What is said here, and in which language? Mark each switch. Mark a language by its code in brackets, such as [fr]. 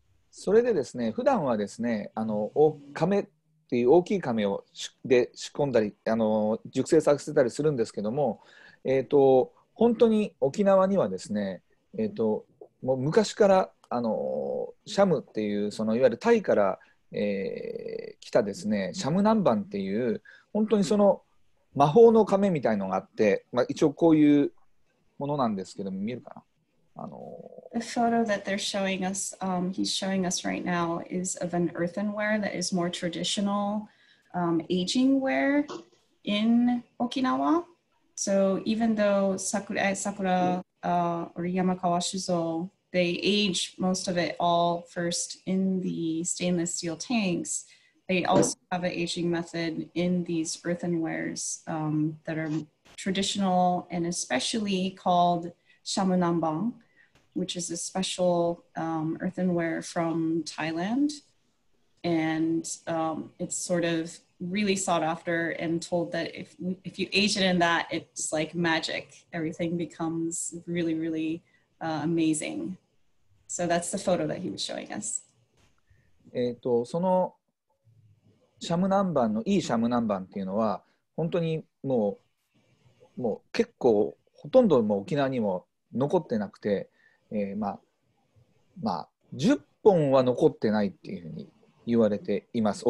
[ja] それでですね、普段はですね、大きい亀をで仕込んだり熟成させたりするんですけども、本当に沖縄にはですね、もう昔からシャムっていうそのいわゆるタイから、来たですね、シャム南蛮っていう本当にその魔法の亀みたいのがあって、まあ、一応こういうものなんですけども見るかな、 [en] The photo that they're showing us,、he's showing us right now, is of an earthenware that is more traditional、aging ware in Okinawa. So even though Sakura、or Yamakawa Shuzo, they age most of it all first in the stainless steel tanks, they also have an aging method in these earthenwares、that are traditional and especially called shamunambang. Which is a special、earthenware from Thailand. And、it's sort of really sought after and told that if you age it in that, it's like magic. Everything becomes really, really、amazing. So that's the photo that he was showing us. [ja] そのシャムナンバンのいいシャムナンバンっていうのは本当にもう結構ほとんどもう沖縄にも残ってなくて、10本は残ってないっていうふうに言われています。